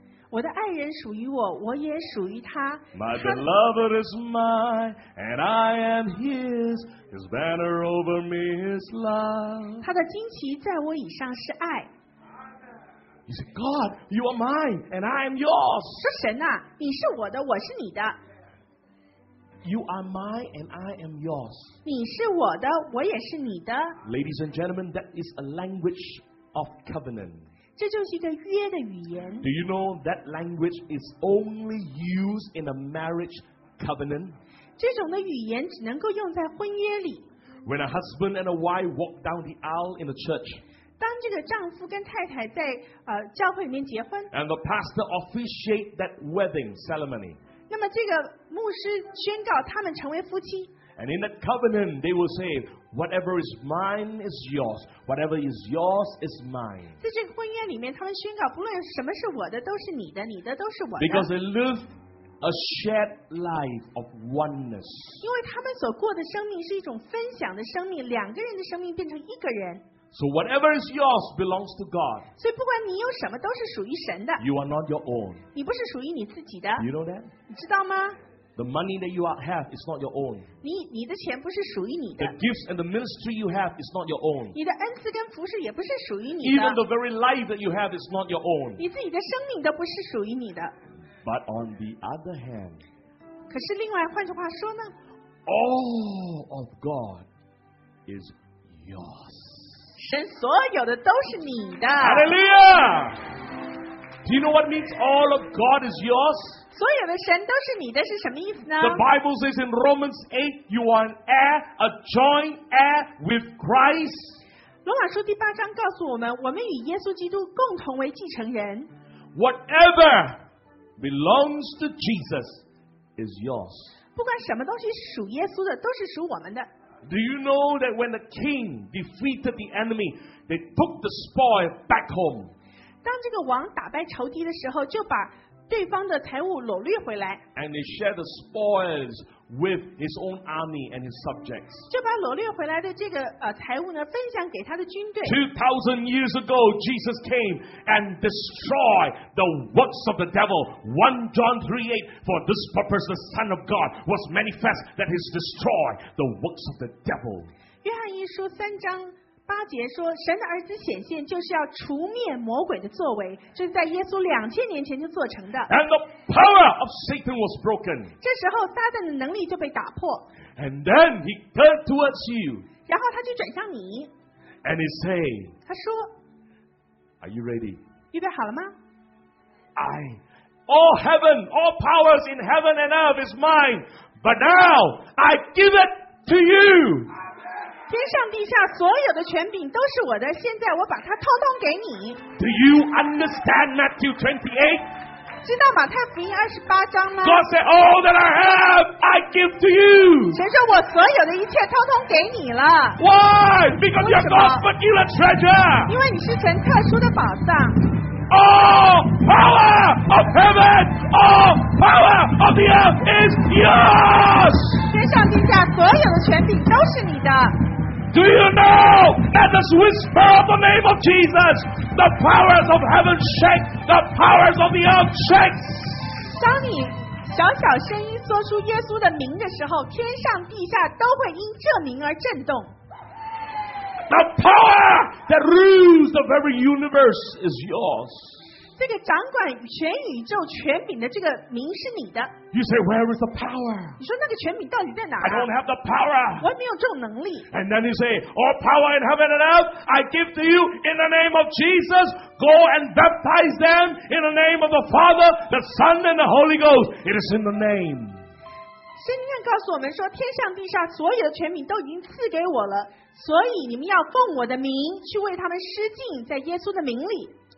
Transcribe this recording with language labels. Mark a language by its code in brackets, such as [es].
[zh] 我的爱人属于我, 我也属于他, [en] my beloved is mine, and I am his, his banner over me is love. [zh] 他的旌旗在我以上是爱。 [en] He said, God, you are mine, and I am yours. [zh] 说神啊, 你是我的, 我是你的。 [en] You are mine, and I am yours. [zh] 你是我的, 我也是你的。 [en] Ladies and gentlemen, that is a language of covenant. [zh] 这就是一个约的语言。 [en] Do you know that language is only used in a marriage covenant? [zh] 这种的语言只能够用在婚约里。 [en] When a husband and a wife walk down the aisle in a church, [zh] 当这个丈夫跟太太在, 教会里面结婚, [en] and the pastor officiate that wedding ceremony, [zh] 那么这个牧师宣告他们成为夫妻, [en] and in that covenant, they will say, whatever is mine is yours, whatever is yours is mine. [zh] 在这个婚约里面, 他们宣告, 不论什么是我的, 都是你的, 你的都是我的。 [en] Because they live a shared life of oneness. [zh] 因为他们所过的生命是一种分享的生命，两个人的生命变成一个人。 [en] So whatever is yours belongs to God. [zh] 所以不管你有什么，都是属于神的。 [en] You are not your own. [zh] 你不是属于你自己的。 [en] You know that? [zh] 你知道吗？ [en] The money that you have is not your own. [zh] 你的钱不是属于你的。 [en] The gifts and the ministry you have is not your own. [zh] 你的恩赐跟服事也不是属于你的。 [en] Even the very life that you have is not your own. [zh] 你自己的生命都不是属于你的。 [en] But on the other hand, [zh] 可是另外换句话说呢？ [en] All of God is yours. [zh] 神所有的都是你的。 [en] Hallelujah! Do you know what means all of God is yours? [zh] 所有的神都是你的是什么意思呢？ [en] The Bible says in Romans 8, you are an heir, a joint heir with Christ. [zh] 罗马书第八章告诉我们，我们与耶稣基督共同为继承人。 [en] Whatever belongs to Jesus is yours. [zh] 不管什么东西属耶稣的，都是属我们的。 [en] Do you know that when the king defeated the enemy, they took the spoil back home? [zh] 当这个王打败仇敌的时候，就把对方的财物掳掠回来。 [en] And he shared the spoils with his own army and his subjects. [zh] 就把掳掠回来的这个财物呢，分享给他的军队。 [en] 2,000 years ago, Jesus came and destroyed the works of the devil. 1 John 3:8. For this purpose, the Son of God was manifest that he's destroyed the works of the devil. [zh] 约翰一书三章八节说，神的儿子显现就是要除灭魔鬼的作为，这是在耶稣2000年前就做成的。 [en] And the power of Satan was broken. [zh] 这时候撒旦的能力就被打破。 [en] And then he turned towards you. [zh] 然后他就转向你。 [en] And he said, [zh] 他说 [en] Are you ready? [zh] 预备好了吗？ [en] I, all heaven, all powers in heaven and earth is mine, but now I give it to you. [zh] 天上地下所有的权柄都是我的，现在我把它通通给你。 [en] Do you understand Matthew 28? [zh] 知道马太福音28章吗？ [en] God said, all that I have, I give to you. [zh] 神说我所有的一切通通给你了。 [en] Why? Because you're God's particular treasure. [zh] 因为你是神特殊的宝藏。 [en] All power of heaven, all power of the earth is yours. [zh] 天上地下所有的权柄都是你的。 [en] Do you know that the whisper of the name of Jesus, the powers of heaven shake, the powers of the earth shakes? [zh] 当你小小声音说出耶稣的名的时候，天上地下都会因这名而震动。 [en] The power that rules the very universe is yours. [zh] 这个掌管全宇宙权柄的这个名是你的。 [en] You say, where is the power? [zh] 你说那个权柄到底在哪？ [en] I don't have the power. [zh] 我没有这种能力。 [en] And then you say, all power in heaven and earth, I give to you in the name of Jesus. Go and baptize them in the name of the Father, the Son, and the Holy Ghost. It is in the name. [zh] 圣经告诉我们说，天上地下所有的权柄都已经赐给我了，所以你们要奉我的名去为他们施浸，在耶稣的名里。